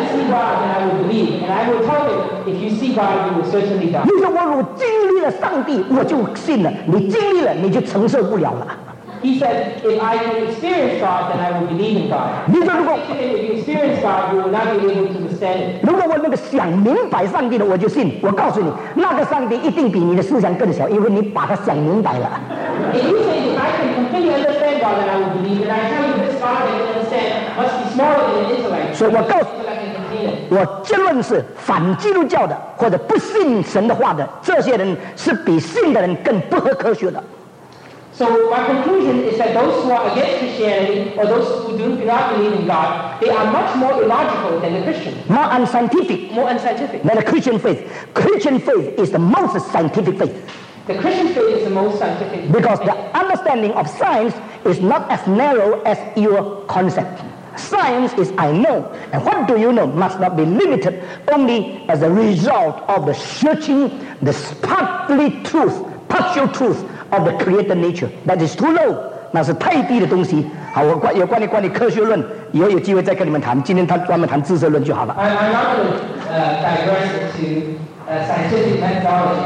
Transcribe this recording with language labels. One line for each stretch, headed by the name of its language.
English: God, and I will believe, and I will tell him, if you see God, you will certainly die.
Chinese: 你说我如经历了上帝，我就信了。你经历了，你就承受不了了。
English: He said, if I can experience God, then I will believe in God.
Chinese: 你说如果
English: if you experience God, you will not be able to understand it.
Chinese: 如果我那个想明白上帝的，我就信。我告诉你，那个上帝一定比你的思想更小，因为你把它想明白了。
English: If you say, if I can completely understand God, then I will believe. And I tell you, this God I understand must be smaller than an intellect.
Chinese: 所以我告诉我结论是，反基督教的或者不信神的话的这些人是比信的人更不合科学的。
English: So my conclusion is that those who are against Christianity or those who do not believe in God, they are much more illogical than the Christian. More unscientific. More unscientific. Than the Christian faith. Christian faith is the most scientific faith. The Christian faith is the most scientific. Because the understanding of science is not as narrow as your concept. Science is I know, and what do you know must not be limited only as a result of the searching the partly truth, partial truth of the creator nature. That is too low.
Chinese: 那是太低的东西。好，我关有关于关于科学论，以后有机会再跟你们谈。今天他专门谈知识论就好了。
English: I'm not going to digress into scientific methodology.